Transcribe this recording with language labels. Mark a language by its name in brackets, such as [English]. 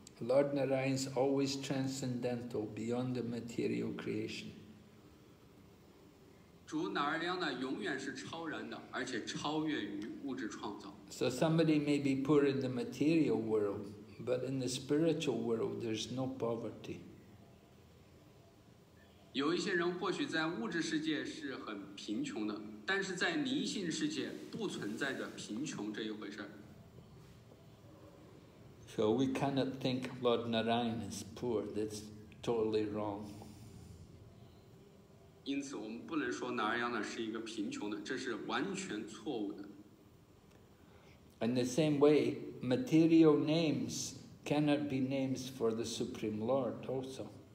[English] Lord Narayana is always transcendental, beyond the material creation. [Chinese] 主 Narayana 永远是超然的，而且超越于物质创造。 [English] So somebody may be poor in the material world, but in the spiritual world, there's no poverty. [Chinese] 有一些人或许在物质世界是很贫穷的，但是在灵性世界不存在着贫穷这一回事。 [English] So we cannot think Lord Narayana is poor. That's totally wrong. [Chinese] 因此，我们不能说 Narayana 是一个贫穷的，这是完全错误的。 [English] In the same way, material names cannot be names for the Supreme Lord also.